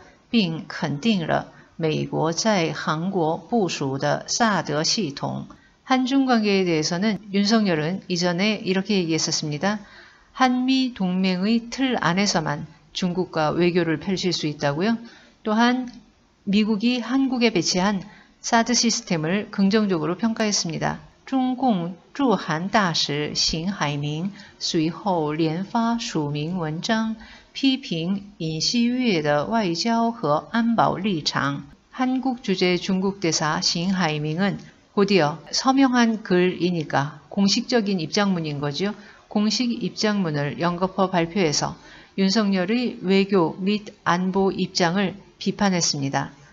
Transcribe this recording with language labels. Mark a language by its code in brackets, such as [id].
[zh] 对于韩中关系，尹锡悦之前表示，只能在韩美联盟框架内与中国展开外交，并肯定了 美国在韩国部署的萨德系统. [ko] 한중 관계에 대해서는 윤석열은 이전에 이렇게 얘기했었습니다. 한미 동맹의 틀 안에서만 중국과 외교를 펼칠 수 있다고요. 또한 미국이 한국에 배치한 사드 시스템을 긍정적으로 평가했습니다. [zh] 중공 驻韩大使 邢海明 随后连发署名文章 批评 尹锡悦的外交和安保立场. [ko] 한국 주재 중국 대사 邢海明은 곧이어 서명한 글이니까 공식적인 입장문인 거죠. 공식 입장문을 연거푸 발표해서 윤석열의 외교 및 안보 입장을 비판했습니다.